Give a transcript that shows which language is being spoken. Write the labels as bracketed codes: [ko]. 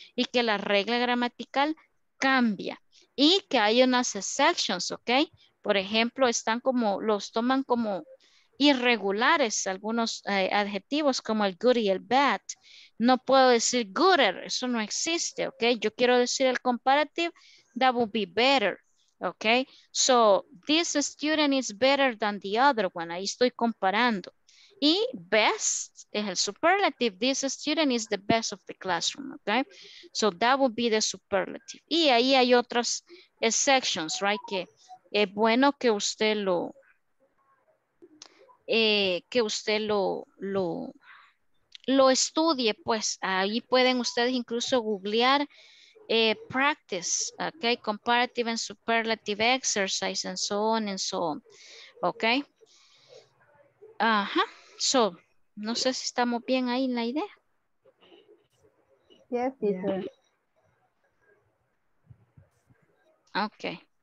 [es] Y que la regla gramatical cambia y que hay unas exceptions, ¿ok? Por ejemplo, están como, los toman como irregulares algunos adjetivos como el good y el bad. No puedo decir gooder, eso no existe, ¿ok? Yo quiero decir el comparative, [en] that would be better. Okay, so this student is better than the other one. [es] Ahí estoy comparando. Y best es el superlative. [en] This student is the best of the classroom. Okay, so that would be the superlative. [es] Y ahí hay otras [en] exceptions, right? [es] Que es bueno que usted lo estudie, pues. Ahí pueden ustedes incluso googlear. [en] Practice, okay, comparative and superlative exercise and so on and so on, okay. [es] So, no sé si estamos bien ahí en la idea. [en] Yes, teacher. Yeah. Okay.